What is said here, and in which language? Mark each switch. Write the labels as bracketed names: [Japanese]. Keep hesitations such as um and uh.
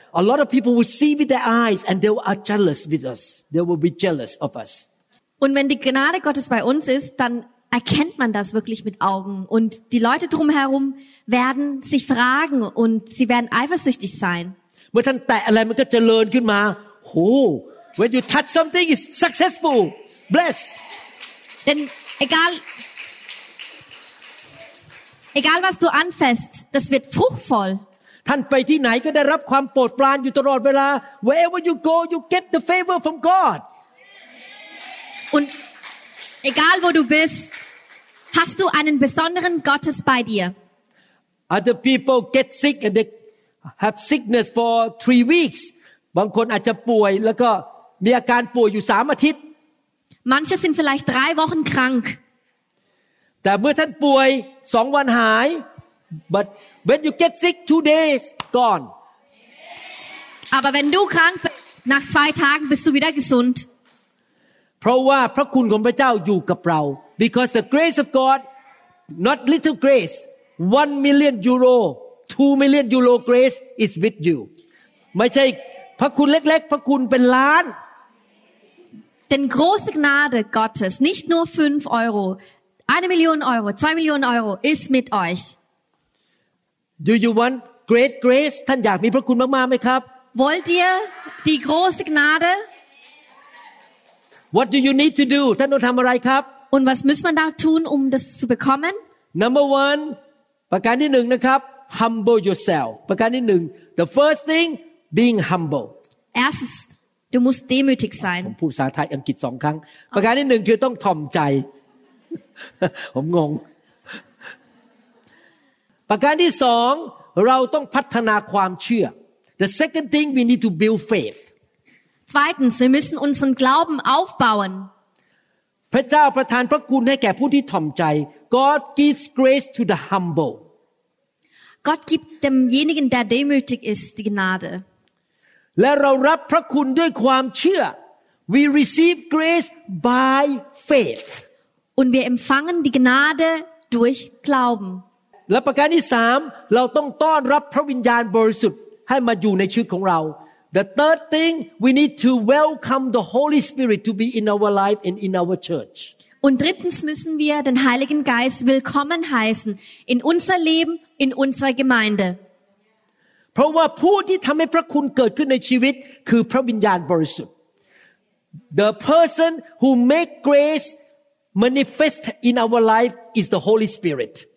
[English] A lot of people will see with their eyes and they will are jealous with us. They will be jealous of us. [German] Und wenn die Gnade Gottes bei uns ist, dann erkennt man das wirklich mit Augen. Und die Leute drumherum werden sich fragen und sie werden eifersüchtig sein. [English] oh, When you touch something, it's successful. Bless. [German] Denn egal, egal was du anfäst, das wird fruchtvoll. [Thai] ท่านไปที่ไหนก็ได้รับความโปรดปรานอยู่ตลอดเวลา [English] wherever you go you get the favor from God [German] und egal wo du bist hast du einen besonderen Gottes bei dir [English] other people get sick and they have sickness for three weeks [Thai] บางคนอาจจะป่วยแล้วก็มีอาการป่วยอยู่สามอาทิตย์ [German] manche sind vielleicht drei Wochen krank [Thai] แต่เมื่อท่านป่วยสองวันหาย [English] but when you get sick two days gone [German] aber wenn du krank nach zwei tagen bist du wieder gesund [Thai] เพราะว่าพระคุณของพระเจ้าอยู่กับเรา [English] because the grace of god not little grace 1 million euro 2 million euro grace is with you [Thai] ไม่ใช่พระคุณเล็กๆ พระคุณเป็นล้าน [German] Denn große Gnade Gottes, nicht nur 5 Euro, 1 Million Euro, 2 Millionen Euro ist mit euch. [English] Do you want great grace [Thai] ท่านอยากมีพระคุณมากๆไหมครับ [German] Wollt ihr die große Gnade [English] What do you need to do [Thai] ท่านต้องทำอะไรครับ [German] Und was muss man da tun um das zu bekommen [English] Number one [Thai] ประการที่หนึ่งนะครับ [English] Humble yourself [Thai] ประการที่หนึ่ง [English] The first thing being humble [German] Erstes du musst demütig sein [Thai] ผมพูดภาษาไทยอังกฤษสองครั้ง ประการที่หนึ่งคือต้องถ่อมใจผมงงประการที่สองเราต้องพัฒนาความเชื่อ [English] The second thing we need to build faith [German] Zweitens wir müssen unseren Glauben aufbauen [Thai] พระเจ้าประทานพระคุณให้แก่ผู้ที่ถ่อมใจ [English] God gives grace to the humble [German] Gott gibt demjenigen der demütig ist die Gnade [Thai] และเรารับพระคุณด้วยความเชื่อ [English] We receive grace by faith [German] und wir empfangen die Gnade durch Glauben [Thai] และประการที่สามเราต้องต้อนรับพระวิญญาณบริสุทธิ์ให้มาอยู่ในชีวิตของเรา [English] The third thing we need to welcome the Holy Spirit to be in our life and in our church. [German] Und drittens müssen wir den Heiligen Geist willkommen heißen in unser Leben, in unserer Gemeinde. [Thai] เพราะว่าผู้ที่ทำให้พระคุณเกิดขึ้นในชีวิตคือพระวิญญาณบริสุทธิ์ [English] The person who make grace manifest in our life is the Holy Spirit.